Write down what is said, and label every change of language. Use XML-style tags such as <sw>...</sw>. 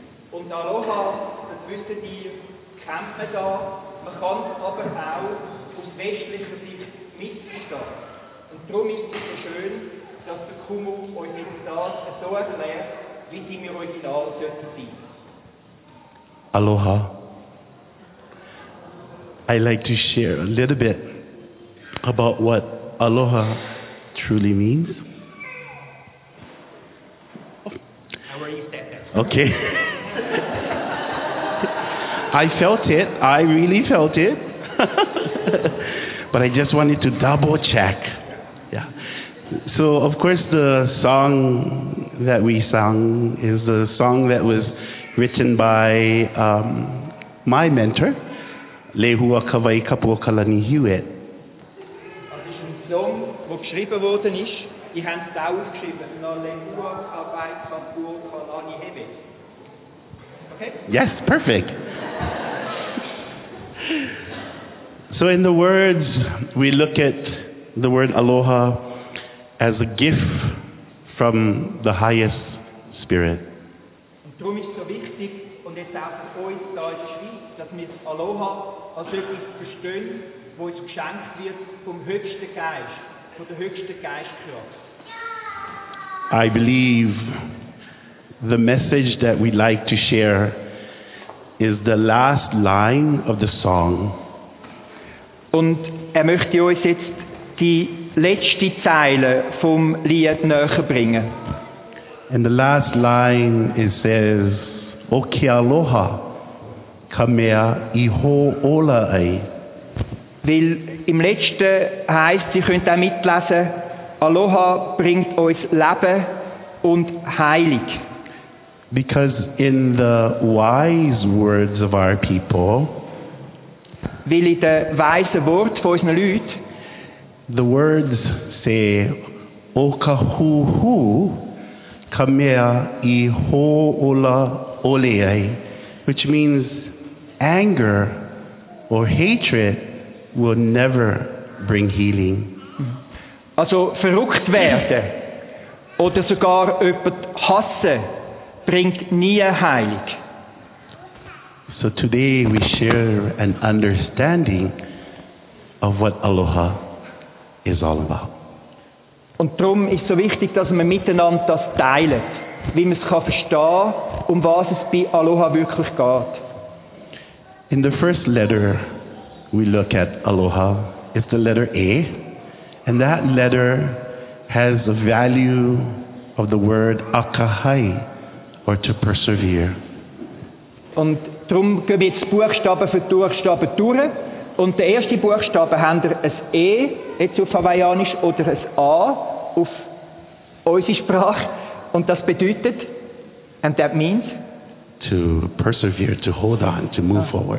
<de>Und Aloha, das wissen die, kennt man da, man kann es aber auch aus westlicher Sicht missverstehen. Und darum ist es so schön, dass der Kumu uns jetzt das so erklärt, wie sie mir original sollte sein. Aloha.</de> <en>I'd like to share a little bit about what aloha truly means. How are you saying that? Okay. I felt it. I really felt it. But I just wanted to double check. Yeah. So, of course, the song that we sang is the song that was written by my mentor, Lehua Kawai Kapuokalani Hewitt.</en> <de>Das ist ein Song, der geschrieben worden ist. Ich habe es auch aufgeschrieben. Lehua Kawai Kapuokalani Hewitt. Okay?</de> <en>Yes, perfect. So in the words, we look at the word aloha as a gift from the highest spirit.</en> <de>Und darum ist es so wichtig, und jetzt auch für uns da in der Schweiz, dass wir das Aloha als etwas verstehen, wo uns geschenkt wird vom höchsten Geist, von der höchsten Geistkraft.</de> <en>I believe the message that we'd like to share is the last line of the song.</en> <de>Und möchte euch jetzt die letzte Zeile vom Lied näher bringen.</de> <en>And the last line, it says,</en> <haw>O ke aloha, kamea iho ola ai.</haw> <de>Weil im letzten heisst, ihr könnt auch mitlesen, Aloha bringt uns Leben und Heilung.</de> <en>Because in the wise words of our people,</en> <de>weil in den weisen Worten von unseren Leuten,</de> <en>the words say,</en> <haw>O kahuhu, kamea iho ola oleai,</haw> <en>which means anger or hatred will never bring healing.</en> <de>Also verrückt werden oder sogar jemand hassen bringt nie Heilung.</de> <en>So today we share an understanding of what aloha is all about.</en> <de>Und darum ist es so wichtig, dass wir miteinander das teilen, wie man es kann verstehen, was es bei Aloha wirklich geht.</de> <en>In the first letter, we look at Aloha. It's the letter A. And that letter has the value of the word akahai, or to persevere.</en> <de>Und darum gehen wir jetzt Buchstaben für Buchstaben durch. Und der erste Buchstabe hat ein E, jetzt auf Hawaiianisch, oder ein A auf unsere Sprache. Und das bedeutet,</de> <en>and that means? To persevere, to hold on, to move forward.</en>